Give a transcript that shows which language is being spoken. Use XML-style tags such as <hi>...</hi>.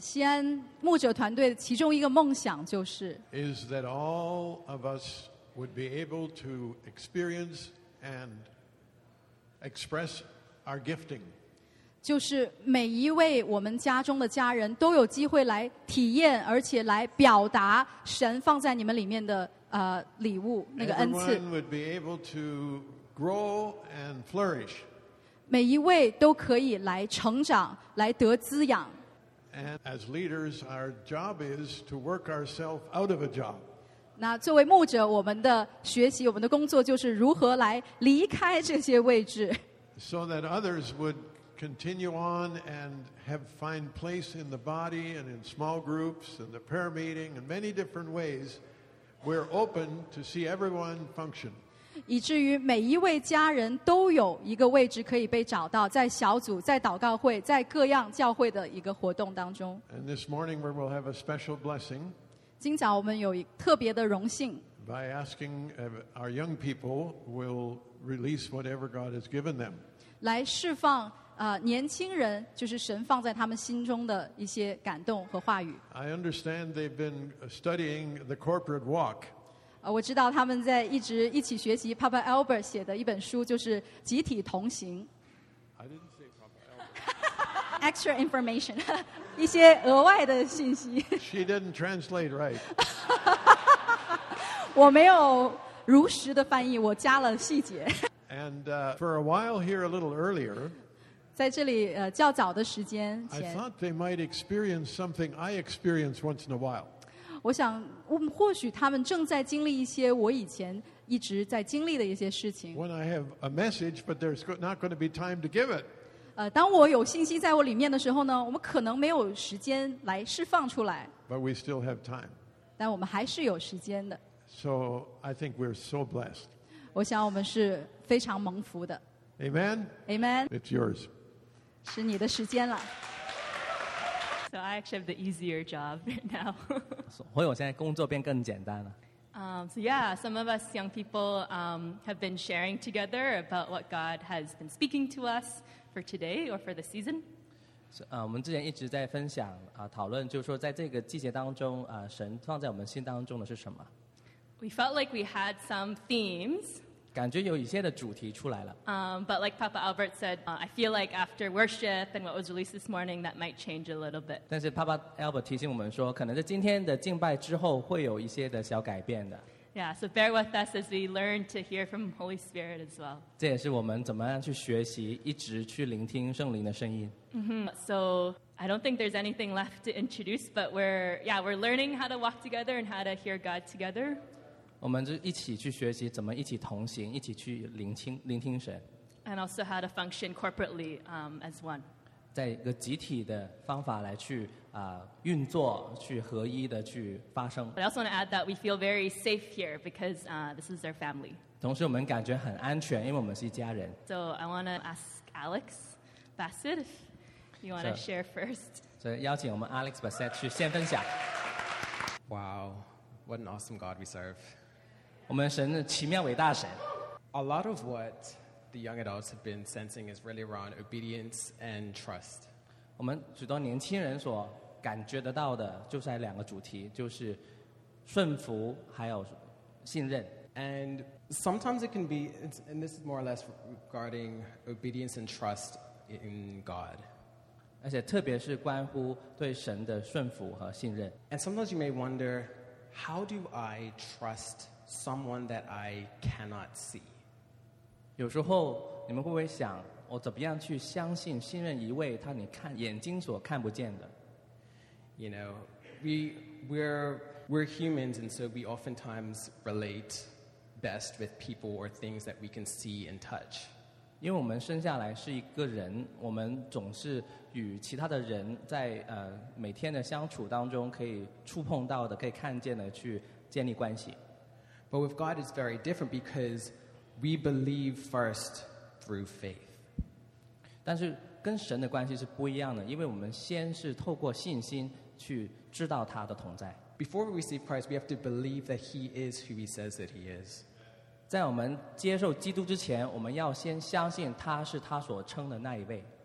<zh>西安牧者团队其中一个梦想就是</zh> <en>is that all of us would be able to experience and express our gifting.</en> <zh>就是每一位我们家中的家人都有机会来体验，而且来表达神放在你们里面的礼物那个恩赐。</zh> <en>Everyone would be able to grow and flourish.</en> <zh>每一位都可以来成长，来得滋养。</zh> <en>And as leaders, our job is to work ourselves out of a job.</en> <zh>那作为牧者，我们的学习，我们的工作就是如何来离开这些位置。</zh> <en>So that others would continue on and have find place in the body and in small groups and the prayer meeting and many different ways, we're open to see everyone function.</en> <zh>以至于每一位家人都有一个位置可以被找到，在小组、在祷告会、在各样教会的一个活动当中。</zh> <en>And this morning we will have a special blessing.</en> <zh>今早我们有特别的荣幸。</zh> <en>By asking our young people will release whatever God has given them.</en> <zh>来释放年轻人就是神放在他们心中的一些感动和话语。</zh> <en>I understand they've been studying the corporate walk.</en> <zh>我知道他们在一直一起学习 Papa Albert 写的一本书，就是《集体同行》。</zh> <en>I didn't say Papa Albert. Extra information,</en> <zh>一些额外的信息。</zh> <en>She didn't translate right.</en> <zh>我没有如实的翻译，我加了细节。</zh> <en>And for a while here, a little earlier.</en> <zh>在这里较早的时间前。</zh> <en>I thought they might experience something I experience once in a while.</en> <zh>我想。或许他们正在经历一些我以前一直在经历的一些事情。</zh> <en>When I have a message, but there's not going to be time to give it.</en> <zh>当我有信息在我里面的时候呢，我们可能没有时间来释放出来。</zh> <en>But we still have time.</en> <zh>但我们还是有时间的。</zh> <en>So I think we're so blessed.</en> <zh>我想我们是非常蒙福的。</zh> <en>Amen. Amen. It's yours.</en> <zh>是你的时间了。</zh> <en>So I actually have the easier job right now.</en> <zh>所以我现在工作变更简单了。</zh> <en>So yeah, some of us young people have been sharing together about what God has been speaking to us for today or for the season.</en> <zh>我们之前一直在分享讨论，就是说在这个季节当中神放在我们心当中的是什么。</zh> <en>We felt like we had some themes.</en> <zh>感觉有一些的主题出来了。</zh> <en>But like Papa Albert said, I feel like after worship and what was released this morning, that might change a little bit.</en> <zh>但是 Papa Albert 提醒我们说，可能在今天的敬拜之后会有一些的小改变的。</zh> <en>Yeah, so bear with us as we learn to hear from Holy Spirit as well.</en> <zh>这也是我们怎么样去学习，一直去聆听圣灵的声音。</zh> <en>So I don't think there's anything left to introduce, but we're learning how to walk together and how to hear God together.</en> <zh>我们就一起去学习怎么一起同行，一起去聆听神。</zh> <en>And also how to function corporately, as one.</en> <zh>在一个集体的方法来去运作，去合一的去发生。</zh> <en>But I also want to add that we feel very safe here because this is our family.</en> <zh>同时，我们感觉很安全，因为我们是一家人。</zh> <en>So I want to ask Alex Bassett if you want to share first.</en> <zh>所以邀请我们 Alex Bassett 去先分享。</zh> <en>Wow. What an awesome God we serve.</en> <zh>我们神的奇妙伟大神。</zh> <en>A lot of what the young adults have been sensing is really around obedience and trust.</en> <zh>我们许多年轻人所感觉得到的就是两个主题，就是顺服还有信任。</zh> <en>And sometimes it can be, and this is more or less regarding obedience and trust in God.</en> <zh>而且特别是关乎对神的顺服和信任。</zh> <en>And sometimes you may wonder,How do I trust someone that I cannot see?</en> <zh>有时候你们会不会想，我怎么样去相信、信任一位他你看眼睛所看不见的</zh> <en>？You know, we're humans, and so we oftentimes relate best with people or things that we can see and touch.</en> <zh>因为我们生下来是一个人，我们总是与其他的人在每天的相处当中可以触碰到的、可以看见的去建立关系。</zh> <en>But with God is very different because we believe first through faith.</en> <zh>但是跟神的关系是不一样的，因为我们先是透过信心去知道他的同在。</zh> <en>Before we receive Christ, we have to believe that He is who He says that He is.</en> <zh>在我们接受基督之前，我们要先相信他是他所称的那一位。</zh>